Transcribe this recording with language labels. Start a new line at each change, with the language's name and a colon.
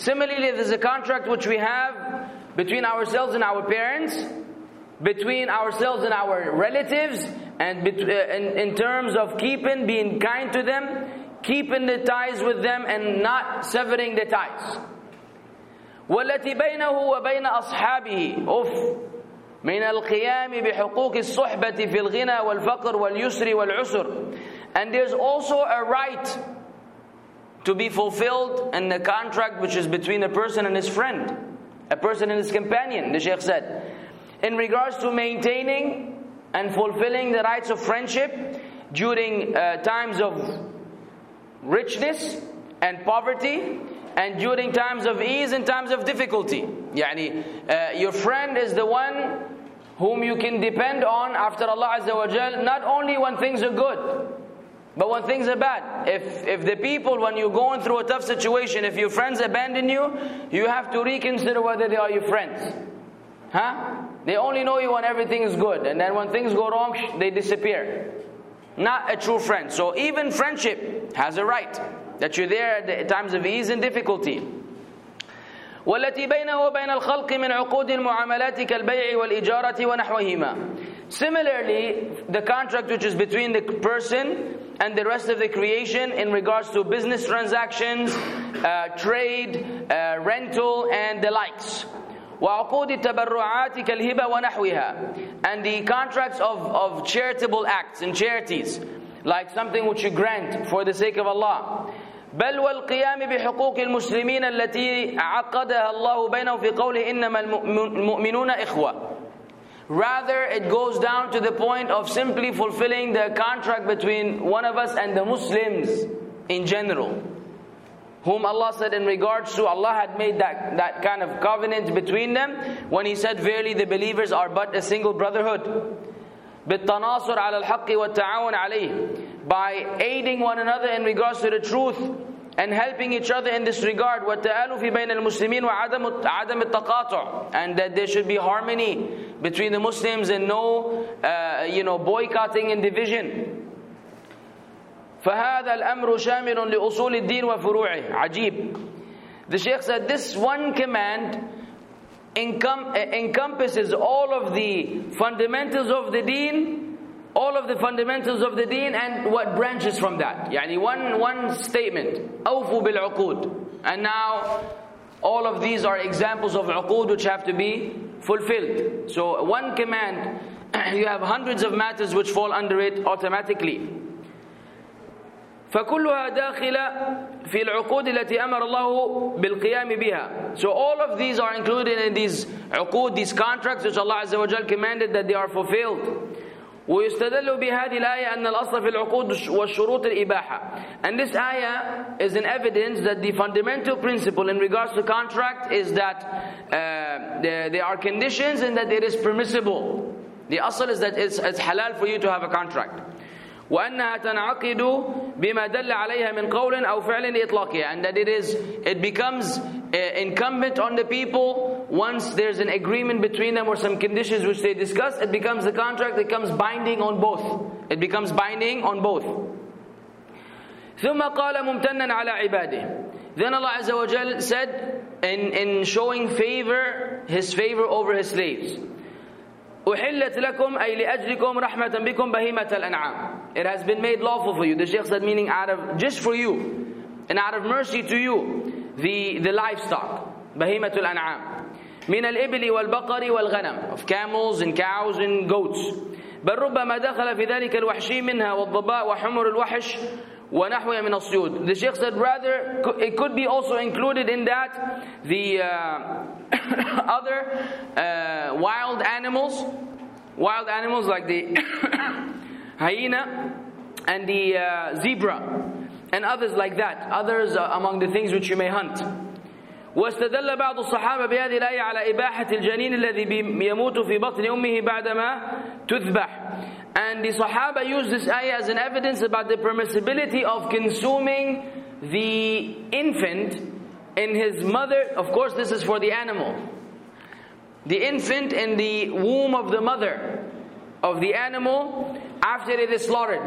English: Similarly, there's a contract which we have between ourselves and our parents, between ourselves and our relatives, and in terms of keeping, being kind to them, keeping the ties with them and not severing the ties.
Arabic: Wallati baynahu wa bayna ashabihi uff من القيام بحقوق الصحبة في الغنى والفقر واليسر والعسر.
English: And there's also a right to be fulfilled in the contract which is between a person and his friend, a person and his companion, the Shaykh said, in regards to maintaining and fulfilling the rights of friendship during times of richness and poverty, and during times of ease and times of difficulty. يعني your friend is the one whom you can depend on after Allah Azza wa Jal, not only when things are good, but when things are bad. If the people, when you're going through a tough situation, if your friends abandon you, you have to reconsider whether they are your friends. Huh? They only know you when everything is good, and then when things go wrong, they disappear. Not a true friend. So even friendship has a right, that you're there at the times of ease and difficulty.
Arabic: والتي بينه وبين الخلق من عقود المعاملات كالبيع والإجارة ونحوهما.
English: Similarly, the contract which is between the person and the rest of the creation in regards to business transactions, trade, rental, and the likes.
Arabic: وعقود التبرعات كالهبة ونحوها.
English: And the contracts of charitable acts and charities, like something which you grant for the sake of Allah.
Arabic: بل والقيام بحقوق المسلمين التي عقدها الله بينهم في قوله إنما المؤمنون إخوة.
English: Rather, it goes down to the point of simply fulfilling the contract between one of us and the Muslims in general, whom Allah said in regards to Allah had made that kind of covenant between them when He said, "Verily, the believers are but a single brotherhood."
Arabic: بالتناصر على الحق والتعاون عليه.
English: By aiding one another in regards to the truth and helping each other in this regard.
Arabic: وَالتَّآلُفِ بَيْنَ الْمُسْلِمِينَ وَعَدَمِ التَّقَاطُعُ.
English: And that there should be harmony between the Muslims and no boycotting and division.
Arabic: فَهَذَا الْأَمْرُ شَامِلٌ لِأُصُولِ الدِّينِ وَفُرُوعِهِ. عجيب.
English: The Shaykh said this one command encompasses all of the fundamentals of the deen, all of the fundamentals of the deen and what branches from that.
Arabic: Yani
English: one statement,
Arabic: awfu bil uqood.
English: And now all of these are examples of uqood which have to be fulfilled. So one command, you have hundreds of matters which fall under it automatically.
Arabic: فكلها داخلة في العقود التي أمر الله بالقيام بها.
English: So all of these are included in these عقود, these contracts which Allah Azza wa Jal commanded that they are fulfilled.
Arabic: ويستدل بهذه الآية أن الأصل في العقود والشروط الإباحة.
English: And this ayah is an evidence that the fundamental principle in regards to contract is that there are conditions and that it is permissible. The أصل is that it's halal for you to have a contract.
Arabic: وأنها تنعقد بما دل عليها من قول أو فعل إطلاقها.
English: And that it becomes incumbent on the people once there's an agreement between them or some conditions which they discuss, it becomes the contract, it becomes binding on both. It becomes binding on both.
Arabic: ثم قال ممتنا على عباده.
English: Then Allah Azza wa Jal said in showing favor, His favor over His slaves.
Arabic: أحلت لكم أي لأجلكم رحمة بكم بهيمة الأنعام.
English: It has been made lawful for you. The Sheikh said, meaning out of just for you, and out of mercy to you, the livestock,
Arabic: بهيمة الأنعام. من الإبل والبقر والغنم,
English: of camels and cows and goats.
Arabic: بل ربما دخل في ذلك الوحشي منها والضباء وحمر الوحش ونحوها من الصيود.
English: The Sheikh said, rather, it could be also included in that the other wild animals like the hyena and the zebra and others like that. Others among the things which you may hunt.
Arabic: واستدل بعض الصحابة بهذه الآية على إباحة الجنين الذي يموت في بطن أمه بعدما تذبح.
English: And the Sahaba used this ayah as an evidence about the permissibility of consuming the infant in his mother. Of course, this is for the animal. The infant in the womb of the mother of the animal after it is slaughtered.